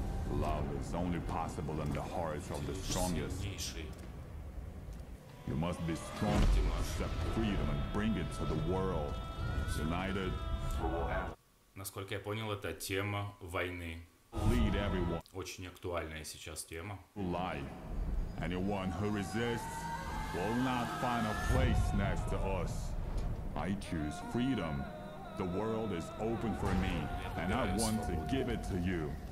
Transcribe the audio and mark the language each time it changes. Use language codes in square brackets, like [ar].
[en] Love is only possible in the hearts of the strongest. You must be strong to accept freedom and bring it to the world. United forever. [ru] Насколько я понял, это тема войны. [en] Lead everyone. [ru] Очень актуальная сейчас тема. [en] Lie. Anyone who resists will not find a place next to us. I choose freedom. The world is open for me, and I want to give it to you.